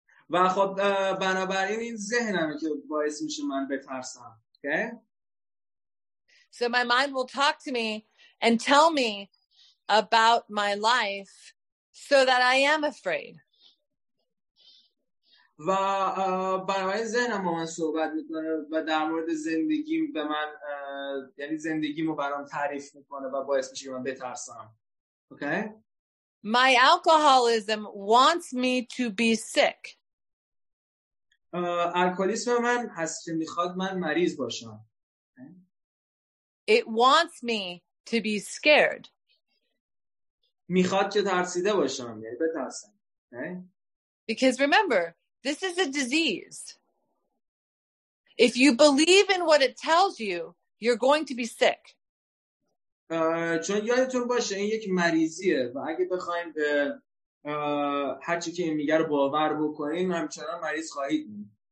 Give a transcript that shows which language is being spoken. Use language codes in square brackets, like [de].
[fa] و خب بنابراین این ذهنمه که باعث میشه من بترسم. [en] Okay? So my mind will talk to me and tell me about my life so that I am afraid. [fa] و بنابراین ذهنم با من صحبت میکنه و در مورد زندگیم به من یعنی زندگیمو برام تعریف میکنه و باعث میشه من بترسم. [en] Okay? My alcoholism wants me to be sick. [fa] الکلیسم من هست که میخواد من مریض باشم. [en] It wants me to be scared. [fa] میخواد که ترسیده باشم، یعنی بترسم. [en] Because remember, this is a disease. If you believe in what it tells you, you're going to be sick. [fa] چون یادتون باشه این یک مریضیه و اگه بخوایم به هر چی که میگه رو باور بکنیم همچنان مریض خواهید بود.